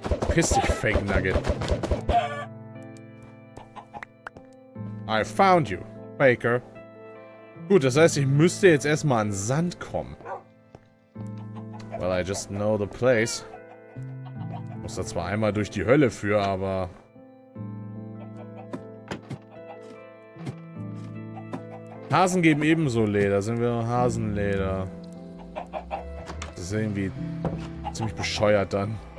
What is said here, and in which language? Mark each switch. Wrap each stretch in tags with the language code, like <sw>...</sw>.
<de>Piss dich, Fake Nugget.</de> <en>I found you. Baker.</en> <de>Gut, das heißt, ich müsste jetzt erstmal an Sand kommen.</de> <en>Well, I just know the place.</en> <de>Muss da zwar einmal durch die Hölle für, aber... Hasen geben ebenso Leder. Sind wir Hasenleder? Das ist irgendwie ziemlich bescheuert dann.</de>